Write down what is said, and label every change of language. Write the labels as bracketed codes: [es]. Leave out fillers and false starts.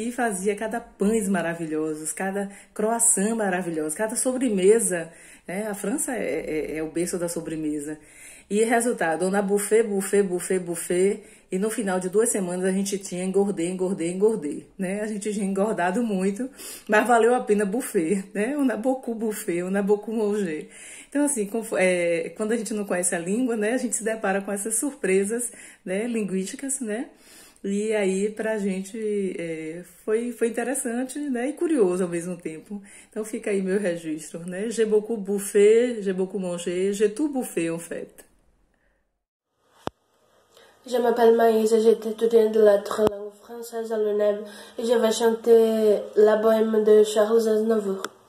[pt] E fazia cada pães maravilhosos, cada croissant maravilhoso, cada sobremesa, né? A França é o berço da sobremesa. E resultado, na buffet, buffet, buffet, buffet. E no final de 2 semanas a gente tinha engordei, engordei, engordei, né? A gente tinha engordado muito, mas valeu a pena buffet, né? [fr] On a beaucoup buffet, on a beaucoup mangé. [pt] Então, assim, quando a gente não conhece a língua, né? A gente se depara com essas surpresas, né? Linguísticas, né? E aí, pra gente, foi interessante, né? E curioso ao mesmo tempo. Então, fica aí meu registro, né? [fr] J'ai beaucoup buffet, j'ai beaucoup mangé, j'ai tout buffet, en fait. Je m'appelle Maïse, j'étais étudiante de lettres langue française à l'UNEB et je vais chanter La Bohème de Charles Aznavour.